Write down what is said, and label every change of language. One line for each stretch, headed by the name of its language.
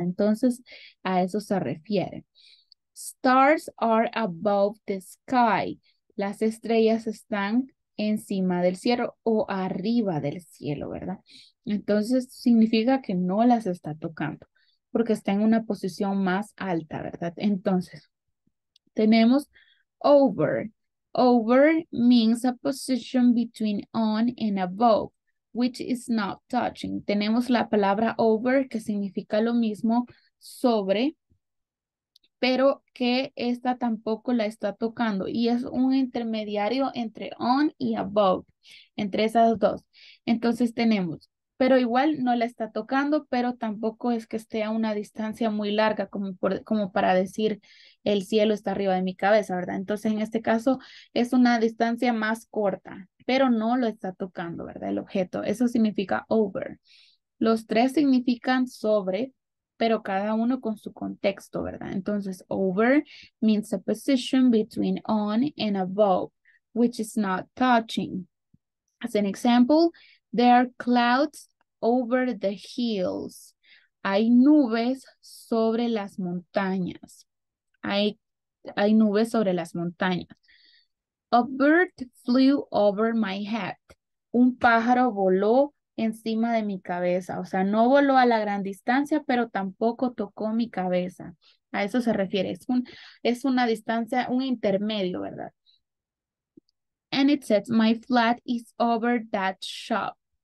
Spanish: Entonces, a eso se refiere.
English: Stars are above the sky.
Spanish: Las estrellas están encima del cielo o arriba del cielo, ¿verdad? Entonces, significa que no las está tocando, porque está en una posición más alta, ¿verdad? Entonces, tenemos over.
English: Over means a position between on and above, which is not touching.
Spanish: Tenemos la palabra over que significa lo mismo sobre, pero que esta tampoco la está tocando y es un intermediario entre on y above, entre esas dos. Entonces tenemos, pero igual no la está tocando, pero tampoco es que esté a una distancia muy larga como para decir el cielo está arriba de mi cabeza, ¿verdad? Entonces en este caso es una distancia más corta, pero no lo está tocando, ¿verdad? El objeto, eso significa over. Los tres significan sobre, pero cada uno con su contexto, ¿verdad? Entonces,
English: over means a position between on and above, which is not touching. As an example, there are clouds over the hills.
Spanish: Hay nubes sobre las montañas. Hay nubes sobre las montañas.
English: A bird flew over my head.
Spanish: Un pájaro voló encima de mi cabeza, o sea, no voló a la gran distancia, pero tampoco tocó mi cabeza. A eso se refiere, es una distancia, un intermedio, ¿verdad?
English: And it says, my flat is over that shop.